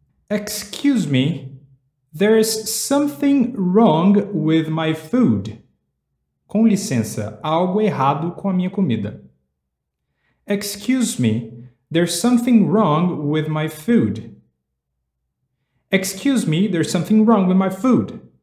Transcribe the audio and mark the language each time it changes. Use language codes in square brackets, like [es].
[en] Excuse me, there's something wrong with my food. [pt] Com licença, algo errado com a minha comida. [en] Excuse me, there's something wrong with my food. Excuse me, there's something wrong with my food.